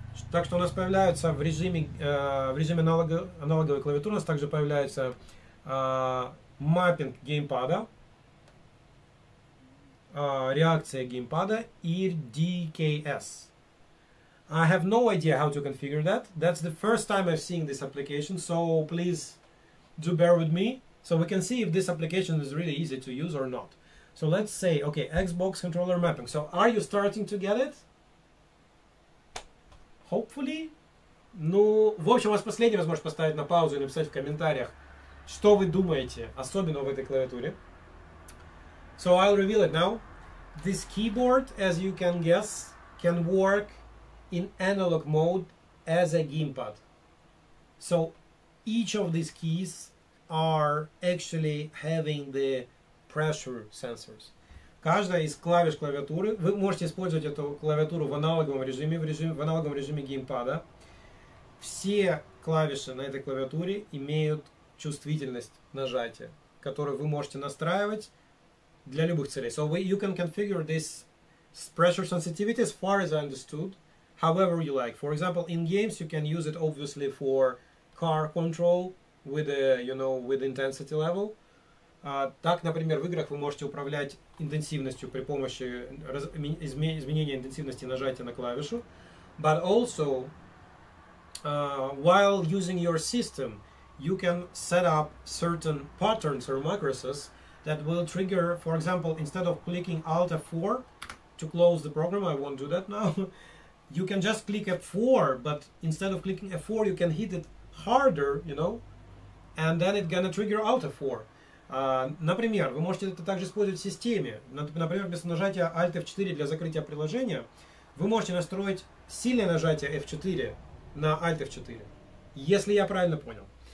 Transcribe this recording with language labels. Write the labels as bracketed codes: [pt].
[ru] Так что у нас появляются в режиме аналоговой клавиатуры, у нас также появляется маппинг геймпада, реакция геймпада и DKS. [en] I have no idea how to configure that. That's the first time I've seen this application, so please do bear with me. So we can see if this application is really easy to use or not. So let's say, okay, Xbox controller mapping. So are you starting to get it? Hopefully. [ru] Ну, в общем, у вас последний возможность поставить на паузу и написать в комментариях, что вы думаете, особенно в этой клавиатуре. [en] So I'll reveal it now. This keyboard, as you can guess, can work in analog mode as a gamepad. So each of these keys are actually having the pressure sensors. [ru] Каждая из клавиш клавиатуры, вы можете использовать эту клавиатуру в аналоговом режиме геймпада. Все клавиши на этой клавиатуре имеют чувствительность нажатия, которую вы можете настраивать для любых целей. [en] So you can configure this pressure sensitivity as far as I understood, however you like. For example, in games you can use it obviously for car control with a, you know, with intensity level. [ru] Так, например, в играх вы можете управлять интенсивностью при помощи изменения интенсивности нажатия на клавишу. [en] But also, while using your system, you can set up certain patterns or macros that will trigger, for example, instead of clicking Alt F4 to close the program, I won't do that now, you can just click F4, but instead of clicking F4, you can hit it harder, you know, and then it's gonna trigger Alt F4. [ru] Например, вы можете это также использовать в системе. Например, без нажатия Alt F4 для закрытия приложения, вы можете настроить сильное нажатие F4 на Alt F4, если я правильно понял.